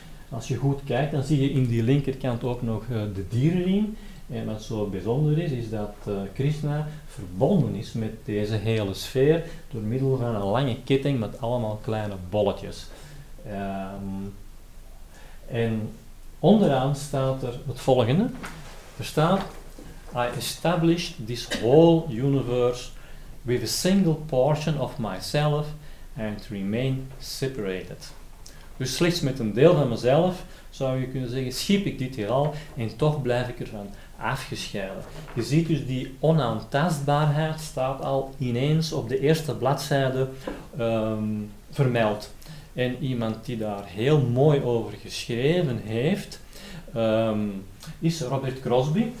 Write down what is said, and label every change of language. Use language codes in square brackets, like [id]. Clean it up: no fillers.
[nl] Als je goed kijkt, dan zie je in die linkerkant ook nog de dierenriem. En wat zo bijzonder is, is dat Krishna verbonden is met deze hele sfeer door middel van een lange ketting met allemaal kleine bolletjes. En onderaan staat er het volgende. [en] Er staat, I established this whole universe with a single portion of myself and remain separated. [nl] Dus slechts met een deel van mezelf, zou je kunnen zeggen, schiep ik dit hier al en toch blijf ik ervan afgescheiden. Je ziet dus die onaantastbaarheid staat al ineens op de eerste bladzijde vermeld. En iemand die daar heel mooi over geschreven heeft, is Robert Crosby.